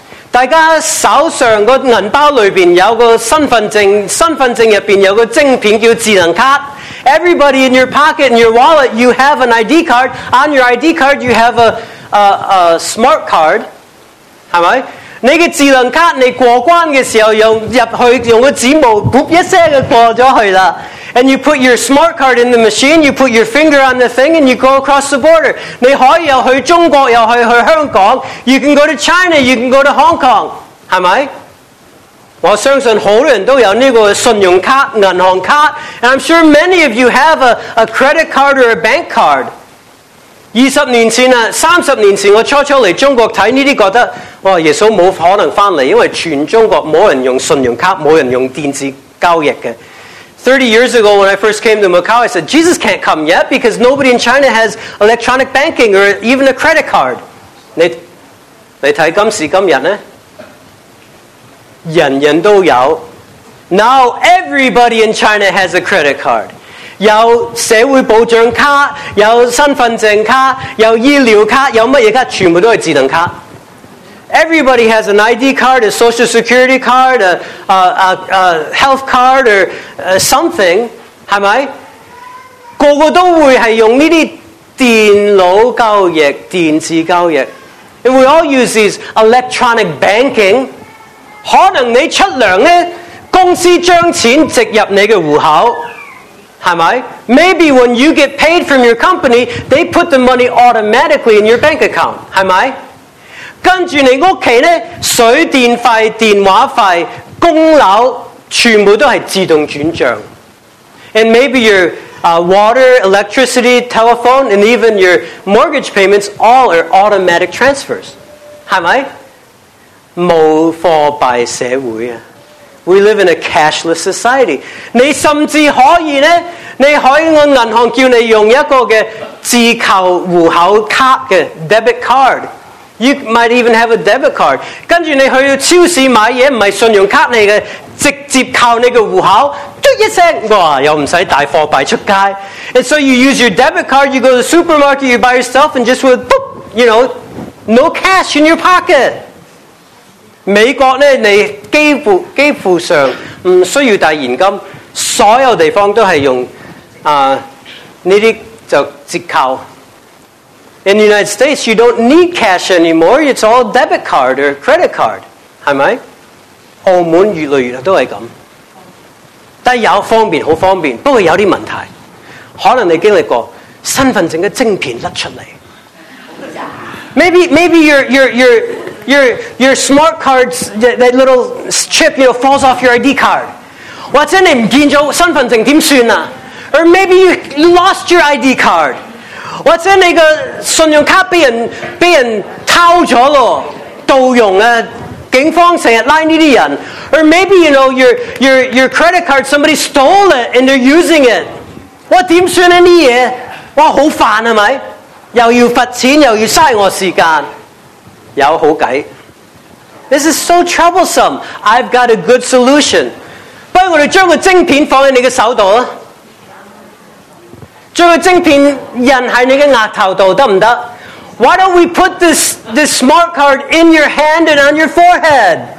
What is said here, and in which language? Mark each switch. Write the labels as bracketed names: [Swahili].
[Cantonese] 大家手上的银包里面有个身份证，身份证里面有个晶片叫智能卡。 [English] Everybody in your pocket, in your wallet, you have an ID card. On your ID card, you have a smart card, [Cantonese] 是吧？你的智能卡你过关的时候用入去用个指模噗一声就过了去了。 [English] And you put your smart card in the machine, you put your finger on the thing and you go across the border. [Cantonese] 你可以又去中国又可以去香港， [English] you can go to China, you can go to Hong Kong, [Cantonese] 是吧？我相信很多人都有这个信用卡银行卡。 [English] And I'm sure many of you have a credit card or a bank card. [Cantonese] 30年前我初来中国看这些，觉得哇，耶稣不可能回来，因为全中国没人用信用卡，没人用电子交易的。 [English] 30 years ago when I first came to Macau, I said Jesus can't come yet because nobody in China has electronic banking or even a credit card. [Cantonese] 你看今时今日呢，人人都有。 [English] Now everybody in China has a credit card. [Cantonese] 有社會保障卡，有身份證卡，有醫療卡，有乜嘢卡，全部都係智能卡。 [English] Everybody has an ID card, a social security card, a health card, or something. [Cantonese] 係咪？個個都會係用呢啲電腦交易、電子交易。 [English] And we all use these electronic banking. [Cantonese] 可能你出糧咧，公司將錢直入你嘅户口。 [English] Am I? Maybe when you get paid from your company, they put the money automatically in your bank account. Am I? [Cantonese] 跟住你屋企咧，水电费、电话费、供楼，全部都系自动转账。 [English] And maybe your water, electricity, telephone, and even your mortgage payments all are automatic transfers. Am I? [Cantonese] 无货币社会啊。 [English] We live in a cashless society. [Cantonese] 你甚至可以呢，你可以用银行叫你用一个嘅自扣户口卡嘅 debit card. [English] You might even have a debit card. [Cantonese] 跟住你去到超市买嘢，唔系信用卡嚟嘅，直接靠你嘅户口，嘟一声，哇，又唔使带货币出街。 [English] And so you use your debit card, you go to the supermarket, you buy yourself, and just with, boop, you know, no cash in your pocket. [Cantonese] 美國咧，你幾乎上唔需要帶現金，所有地方都係用呢啲就折扣。 [English] In the United States, you don't need cash anymore. It's all debit card or credit card， [Cantonese] 係咪？澳門越嚟越都係咁，但有方便好方便，不過有啲問題。可能你經歷過身份證嘅晶片甩出嚟 ， [English] maybe you're。 Your smart card, that little chip, you know, falls off your ID card. [Cantonese] 或者你唔見咗身份證點算啊？ [English] Or maybe you lost your ID card. [Cantonese] 或者你個信用卡被人偷咗咯，盜用啊！警方成日拉呢啲人。 [English] Or maybe you know your credit card somebody stole it and they're using it. [Cantonese] 哇，點算啊呢嘢？哇，好煩係咪？又要罰錢，又要嘥我時間。有好計。 [English] This is so troublesome. I've got a good solution. [Cantonese] 不如我哋將個晶片放喺你嘅手度啦，將個晶片印喺你嘅額頭度得唔得 ？ [English] Why don't we put this smart card in your hand and on your forehead？